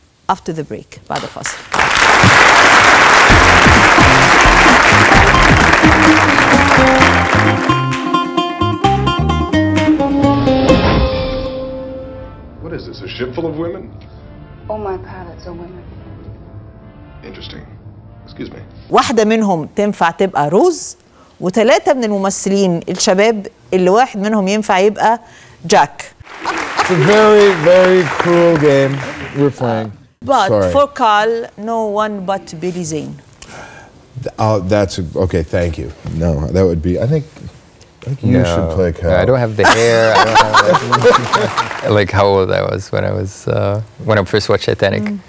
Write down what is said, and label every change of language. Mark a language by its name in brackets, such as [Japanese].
[English] After the break, [Arabic] بعد الفاصل. [English] What is this, a ship full of women? All my pilots are women. Interesting. Excuse me. [Arabic] واحدة منهم تنفع تبقى روز وثلاثة من الممثلين الشباب اللي واحد منهم ينفع يبقى جاك. [English] It's a very, very cruel game we're playing. But sorry. For Carl, no one but Billy Zane. Okay, thank you. No, that would be, I think you should play Cal. I don't have the hair. I don't have like how old I was when I was, when I first watched Titanic.